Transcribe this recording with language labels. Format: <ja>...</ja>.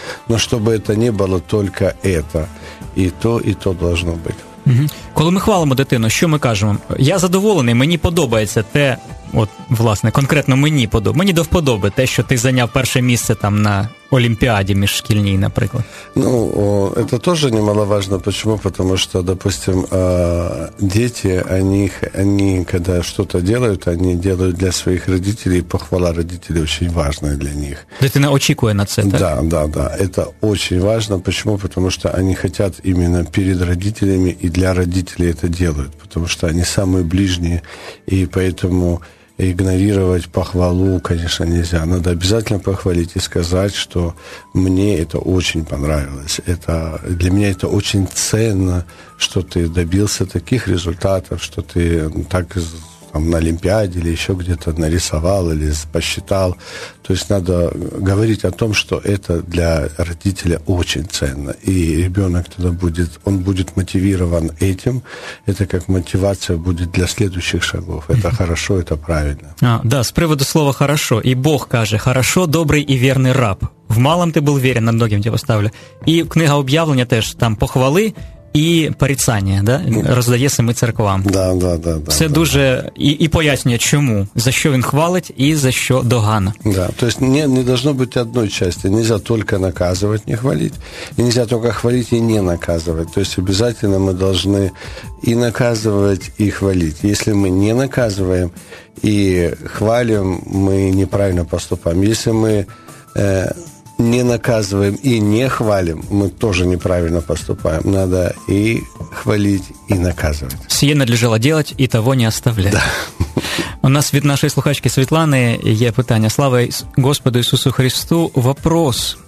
<ru>Но чтобы это не было только это, и то должно быть. Угу.</ru> <uk>Коли ми хвалимо дитину, що ми кажемо? Я задоволений, мені подобається те, от, власне, конкретно мені подобається, мені до вподоби те, що ти зайняв перше місце там на Олімпіаді міжшкільній, наприклад. Ну, це теж немаловажно. Чому? Тому що, допустим, діти, вони, коли щось роблять, вони роблять для своїх батьків, і похвала батьків дуже важлива для них. Дитина очікує на це, так? Да, да, да. Це дуже важливо. Чому? Тому що вони хочуть іменно перед батьками і для батьків це роблять, тому що вони найближчі, і тому</uk> <ru>игнорировать похвалу, конечно, нельзя. Надо обязательно похвалить и сказать, что мне это очень понравилось. Это, для меня это очень ценно, что ты добился таких результатов, что ты так там, на Олимпиаде или еще где-то нарисовал или посчитал. То есть надо говорить о том, что это для родителя очень ценно. И ребенок тогда будет, он будет мотивирован этим. Это как мотивация будет для следующих шагов. Это mm-hmm. хорошо, это правильно. А, да, с приводу слова «хорошо».</ru> <uk>И Бог каже</uk> <ru>«хорошо, добрый и верный раб». В малом ты был верен, на многим тебя поставлю. И книга «Об'явлення» теж там «похвали».</ru> <uk>і порицання, да? Роздається ми церквам.</uk> <ru>Да, да, да, да,</ru> <uk>це</uk> <ru>да,</ru> <uk>дуже і пояснює, чому, за що він хвалить і за що догана. Да. Тобто не должно бути одної частини. Нельзя тільки наказувати, не хвалити. Нельзя тільки хвалити і не наказувати. Тобто обов'язково ми повинні і наказувати, і хвалити. Якщо ми не наказуємо і хвалимо, ми неправильно поступаємо. Якщо ми не</uk> <ru>наказываем и не хвалим, мы тоже неправильно поступаем. Надо и хвалить, и наказывать. Сие надлежало делать, и того не оставлять. Да. У нас от нашей слухачки Светланы есть питание. Слава Господу Иисусу Христу. Вопрос.</ru>